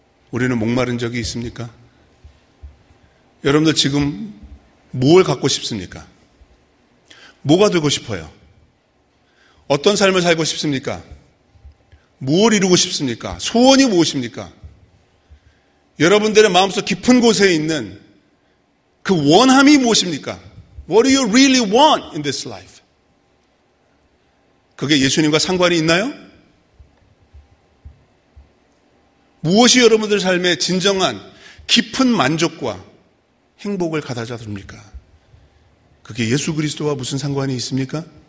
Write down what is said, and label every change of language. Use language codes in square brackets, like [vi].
[ko] 우리는 목마른 적이 있습니까? 여러분들 지금 뭘 갖고 싶습니까? 뭐가 되고 싶어요? 어떤 삶을 살고 싶습니까? 뭘 이루고 싶습니까? 소원이 무엇입니까? 여러분들의 마음속 깊은 곳에 있는 그 원함이 무엇입니까? [en] What do you really want in this life? [ko] 그게 예수님과 상관이 있나요? 무엇이 여러분들 삶의 진정한 깊은 만족과 행복을 가져다 줍니까? 그게 예수 그리스도와 무슨 상관이 있습니까?